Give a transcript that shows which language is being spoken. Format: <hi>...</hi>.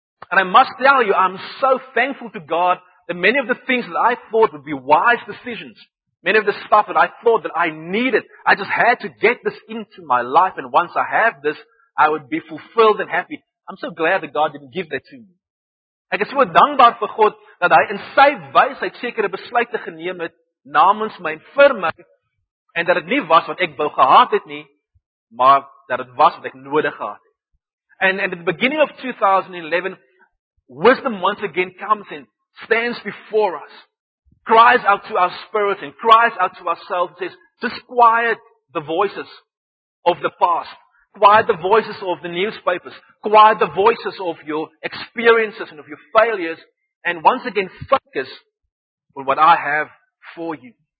<en>And I must tell you, I'm so thankful to God that many of the things that I thought would be wise decisions, many of the stuff that I thought that I needed, I just had to get this into my life, and once I have this, I would be fulfilled and happy. I'm so glad that God didn't give that to me.</en> <af>Ek is so dankbaar vir God dat hy in sy wysheid sekere besluite geneem het namens my en vir my, en dat dit nie was wat ek wou gehad het nie, maar dat dit was wat ek nodig gehad het.</af> <en>And at the beginning of 2011, wisdom once again comes in, stands before us, cries out to our spirit and cries out to ourselves, says, disquiet the voices of the past, quiet the voices of the newspapers, quiet the voices of your experiences and of your failures, and once again focus on what I have for you.</en>